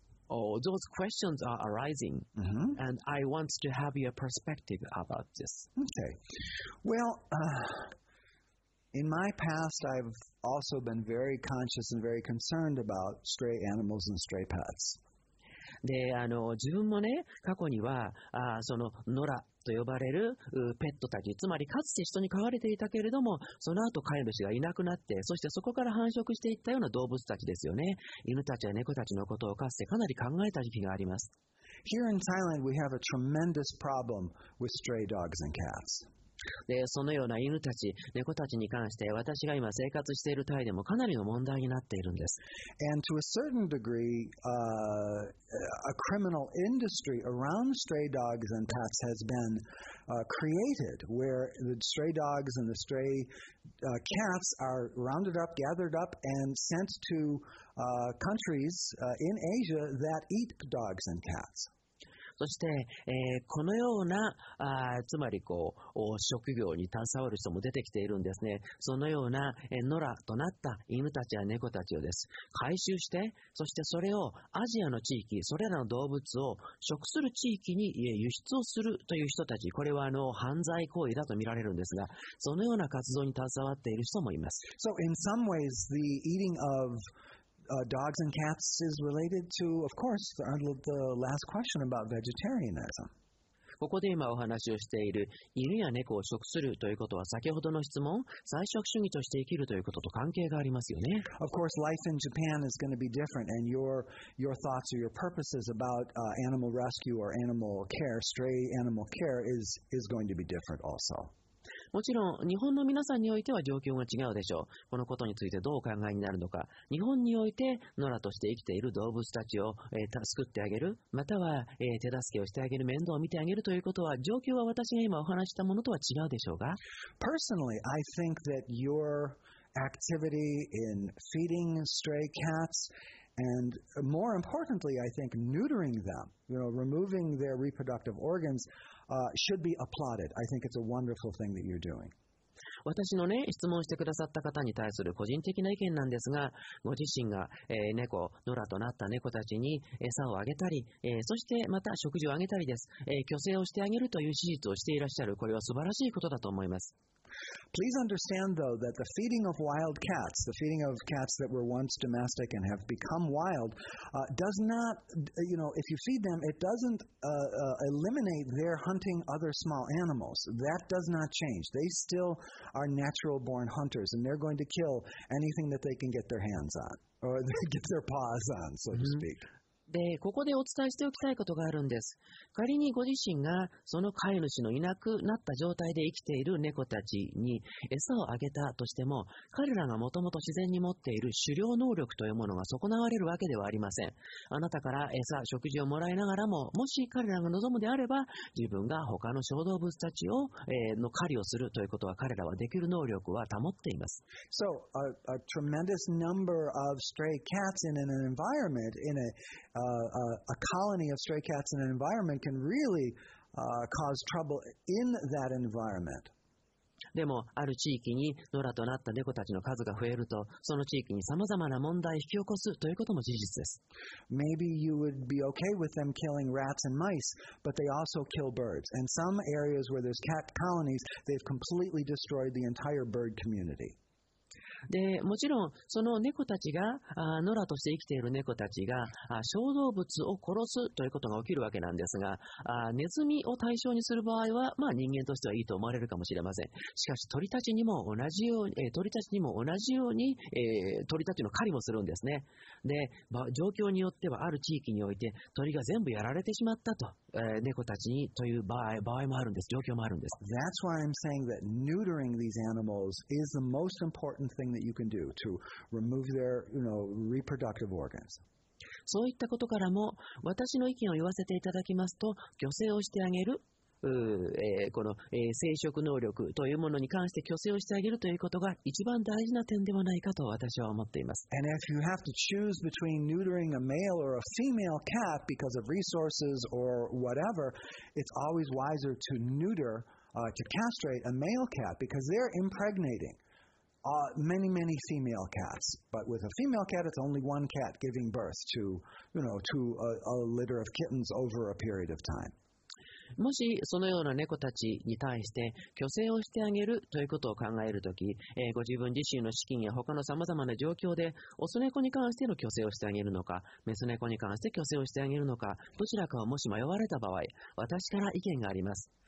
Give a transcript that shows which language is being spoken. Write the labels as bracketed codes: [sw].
[en] Oh, those questions are arising,、 mm-hmm. and I want to have your perspective about this. Okay. Well,、in my past, I've also been very conscious and very concerned about stray animals and stray pets. [ja] で、あの、自分もね、過去には、その野良と呼ばれるペットたち、つまりかつて人に飼われていたけれども、その後飼い主がいなくなって、そしてそこから繁殖していったような動物たちですよね。犬たちや猫たちのことをかつてかなり考えた時期があります。 [en] Here in Thailand, we have a tremendous problem with stray dogs and cats. [ja] でそのような犬たち、猫たちに関して私が今生活しているタイでもかなりの問題になっているんです。 [en] And to a certain degree, a criminal industry around stray dogs and pets has been created where the stray dogs and the stray cats are rounded up, gathered up and sent to countries in Asia that eat dogs and cats. [ja] そして、このようなつまりこう職業に携わる人も出てきているんですね。そのような、野良となった犬たちや猫たちをです。回収して、そしてそれをアジアの地域、それらの動物を食する地域に輸出をするという人たち、これはあの犯罪行為だと見られるんですが、そのような活動に携わっている人もいます。 [en] So in some ways, the eating ofdogs and cats is related to, of course, the last question about vegetarianism. [ja] ここで今お話をしている犬や猫を食するということは先ほどの質問、菜食主義として生きるということと関係がありますよね。 [en] Of course, life in Japan is going to be different, and your thoughts or your purposes about animal rescue or animal care, stray animal care, is going to be different also. [ja] もちろん日本の皆さんにおいては状況が違うでしょう。このことについてどうお考えになるのか。日本において野良として生きている動物たちを、救ってあげる、または、手助けをしてあげる、面倒を見てあげるということは、状況は私が今お話したものとは違うでしょうか。 [en] Personally, I think that your activity in feeding stray catsAnd more importantly, I think neutering them, you know, removing their reproductive organs, should be applauded. I think it's a wonderful thing that you're doing. [ja] 私のね、質問してくださった方に対する個人的な意見なんですが、ご自身が、猫、野良となった猫たちに餌をあげたり、そしてまた食事をあげたりです、去勢をしてあげるという手術をしていらっしゃる、これは素晴らしいことだと思います。 [en] Please understand though that the feeding of wild cats, the feeding of cats that were once domestic and have become wild, does not, you know, if you feed them, it doesn't eliminate their hunting other small animals. That does not change. They still are natural born hunters and they're going to kill anything that they can get their hands on or they get their paws on, so to speak. [ja] でここでお伝えしておきたいことがあるんです。仮にご自身がその飼い主のいなくなった状態で生きている猫たちに餌をあげたとしても、彼らがもともと自然に持っている狩猟能力というものが損なわれるわけではありません。あなたから餌、食事をもらいながらも、もし彼らが望むであれば、自分が他の小動物たちを、の狩りをするということは彼らはできる能力は保っています。 [en] So, a tremendous number of stray cats in an environment, in a colony of stray cats in an environment can really cause trouble in that environment. [ja] でもある地域に野良となった猫たちの数が増えると、その地域にさまざまな問題を引き起こすということも事実です。 [en] Maybe you would be okay with them killing rats and mice, but they also kill birds. And some areas where there's cat colonies, they've completely destroyed the entire bird community. [ja] でもちろんその猫たちが野良として生きている猫たちが小動物を殺すということが起きるわけなんですが、ネズミを対象にする場合は、まあ、人間としてはいいと思われるかもしれません。しかし鳥たちにも同じように、鳥たちの狩りもするんですね。で、状況によってはある地域において鳥が全部やられてしまったと、猫たちにという場合もあるんです。状況もあるんです。 [en] That's why I'm saying that neutering these animals is the most important thingthat you can do to remove their, you know, reproductive organs. [ja] そういったことからも、私の意見を言わせていただきますと、去勢をしてあげる、この、生殖能力というものに関して去勢をしてあげるということが一番大事な点ではないかと私は思っています。 [en] And if you have to choose between neutering a male or a female cat because of resources or whatever, it's always wiser to neuter, to castrate a male cat because they're impregnating. Many, many female cats. But with a female cat, it's only one cat giving birth to, you know, to a litter of kittens over a period of time. [ja] もしそのような猫たちに対して去勢をしてあげるということを考えるとき、ご自分自身の資金や他のさまざまな状況でオス猫に関しての去勢をしてあげるのか、メス猫に関して去勢をしてあげるのか、どちらかをもし迷われた場合、私から意見があります。